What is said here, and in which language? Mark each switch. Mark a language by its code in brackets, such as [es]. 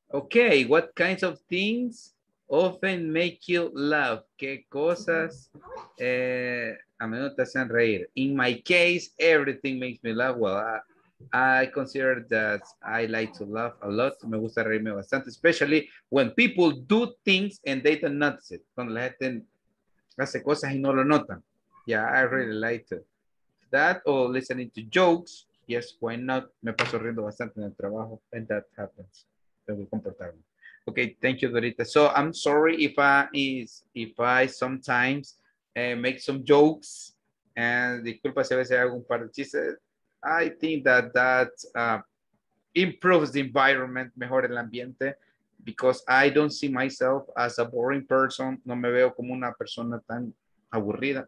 [en] Okay, what kinds of things often make you laugh? [es] ¿Qué cosas? A menudo te hacen reír. [en] In my case, everything makes me laugh. Well, I consider that I like to laugh a lot. [es] Me gusta reírme bastante, [en] especially when people do things and they don't notice it. [es] Cuando la gente hace cosas y no lo notan. [en] Yeah, I really like to. That or listening to jokes. Yes, why not? [es] Me paso riendo bastante en el trabajo [en] and that happens. [es] Tengo que comportarme. [en] Okay, thank you, Dorita. So I'm sorry if I sometimes make some jokes and [es] disculpa si a veces hago un par de chistes. [en] I think that improves the environment, [es] mejora el ambiente, [en] because I don't see myself as a boring person. [es] No me veo como una persona tan aburrida.